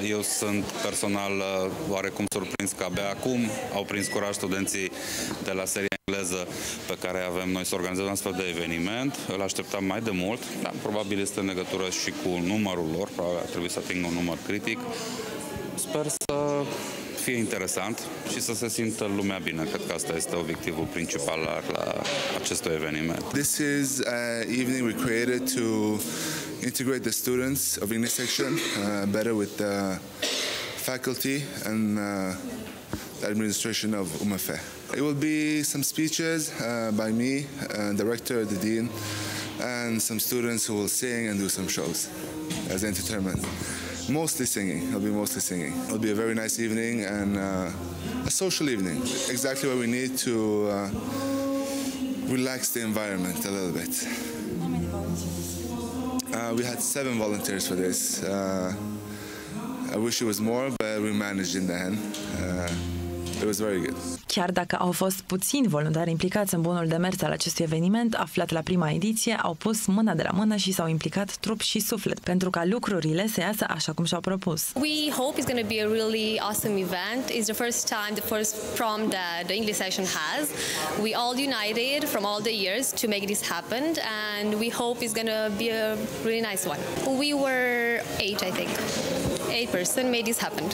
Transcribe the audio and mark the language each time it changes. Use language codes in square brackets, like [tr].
[ro] Eu sunt personal oarecum surprins că abia acum au prins curaj studenții de la seria engleză pe care avem noi să organizăm astfel de eveniment. Îl așteptam mai de mult, dar probabil este în legătură și cu numărul lor, probabil ar trebui să atingă un număr critic. Sper să fie interesant și să se simtă lumea bine. Cred că asta este obiectivul principal la acest eveniment. [en] This is an evening we created to integrate the students of English section better with the faculty and the administration of UMFE. It will be some speeches by me, director, the dean, and some students who will sing and do some shows as entertainment. Mostly singing. It'll be mostly singing. It'll be a very nice evening and a social evening. Exactly what we need to relax the environment a little bit. We had 7 volunteers for this. I wish it was more, but we managed in the end. It was very good. [ro] Chiar dacă au fost puțini voluntari implicați în bunul demers al acestui eveniment, aflat la prima ediție, au pus mâna de la mână și s-au implicat trup și suflet pentru ca lucrurile să iasă așa cum și-au propus. [en] We hope it's going to be a really awesome event. It's the first time, the first prom that the English section has. We all united from all the years to make this happen and we hope it's going to be a really nice one. We were 8, I think. 8 person made this happen.